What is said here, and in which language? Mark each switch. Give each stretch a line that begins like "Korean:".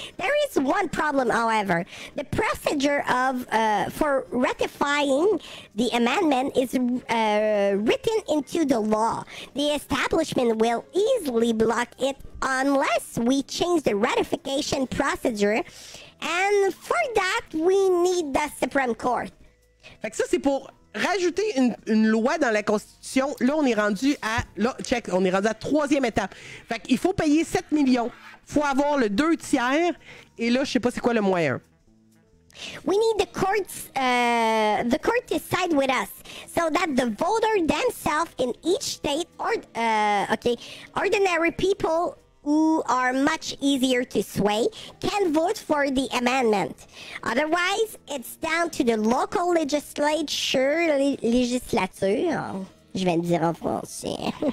English: There is one problem, however. The procedure for ratifying the amendment is written into the law. The establishment will easily block it unless we change the ratification procedure. And for that, we need the Supreme Court.
French: Fait que ça, c'est pour rajouter une loi dans la Constitution. Là, on est rendu à... Là, check, on est rendu à la troisième étape. Fait qu'il faut payer 7 millions. Faut avoir le 2/3. Et là, je sais pas c'est quoi le moyen.
English: We need the court to side with us so that the voter themselves in each state or... ordinary people... who are much easier to sway, can vote for the amendment. Otherwise, it's down to the local legislature,
French: je vais dire en français.